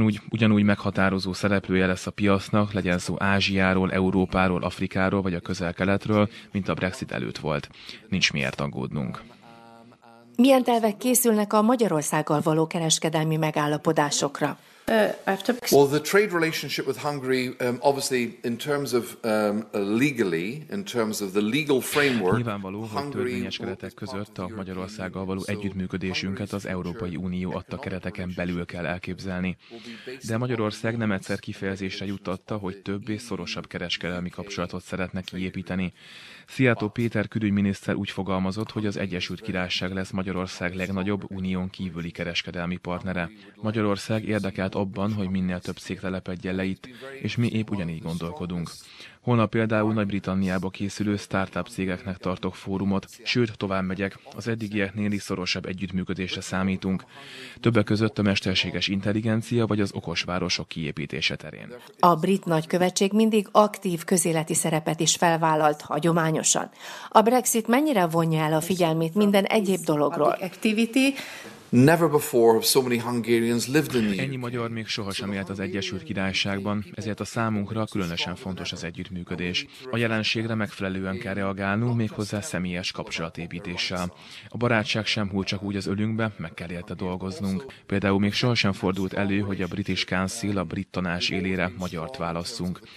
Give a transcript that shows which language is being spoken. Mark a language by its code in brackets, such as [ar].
[hu] Ugyanúgy meghatározó szereplője lesz a piacnak, legyen szó Ázsiáról, Európáról, Afrikáról vagy a Közel-Keletről, mint a Brexit előtt volt. Nincs miért aggódnunk. Milyen tervek készülnek a Magyarországgal való kereskedelmi megállapodásokra? [en] Well, the trade relationship with Hungary, obviously in terms of legally, in terms of the legal framework. [hu] Nyilvánvaló, hogy törvényes keretek között a Magyarországgal való együttműködésünket az Európai Unió adta kereteken belül kell elképzelni. De Magyarország nem egyszer kifejezésre juttatta, hogy több és szorosabb kereskedelmi kapcsolatot szeretne kiépíteni. Szijjártó Péter külügyminiszter úgy fogalmazott, hogy az Egyesült Királyság lesz Magyarország legnagyobb unión kívüli kereskedelmi partnere. Magyarország érdekelt abban, hogy minél több cég telepedjen le itt, és mi épp ugyanígy gondolkodunk. Holnap például Nagy-Britanniába készülő startup cégeknek tartok fórumot, sőt, tovább megyek, az eddigieknél is szorosabb együttműködésre számítunk. Többek között a mesterséges intelligencia vagy az okos városok kiépítése terén. A brit nagykövetség mindig aktív közéleti szerepet is felvállalt hagyományosan. A Brexit mennyire vonja el a figyelmét minden egyéb dologról? [en] Never before have so many Hungarians lived in the UK. [hu] Ennyi magyar még sohasem élt az Egyesült Királyságban, ezért a számunkra különösen fontos az együttműködés. A jelenségre megfelelően kell reagálnunk, méghozzá személyes kapcsolatépítéssel. A barátság sem húl csak úgy az ölünkbe, meg kell érte dolgoznunk. Például még sohasem fordult elő, hogy a British Council, a brit tanács élére magyart válasszunk.